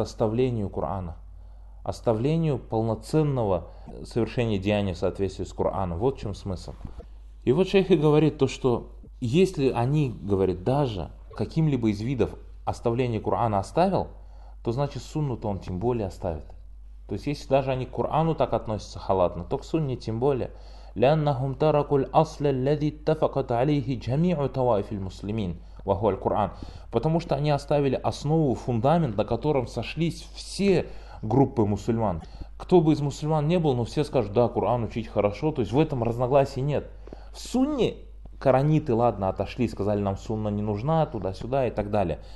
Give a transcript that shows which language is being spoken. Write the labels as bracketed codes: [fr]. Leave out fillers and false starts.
[ru] Оставлению Корана. Оставлению полноценного совершения деяния в соответствии с Кораном. Вот в чем смысл. И вот шейх и говорит то, что если они, говорит, даже каким-либо из видов оставления Корана оставил, то значит сунну-то он тем более оставит. То есть если даже они к Корану так относятся халатно, то к сунне тем более. [ar] لأنهم تركوا الأصل الذي اتفقت عليه جميع طوائف المسلمين وهو القرآن. [ru] Потому что они оставили основу, фундамент, на котором сошлись все группы мусульман. Кто бы из мусульман не был, но все скажут, да, Коран учить хорошо. То есть в этом разногласий нет. В сунне корониты, ладно, отошли, сказали, нам сунна не нужна, туда-сюда и так далее.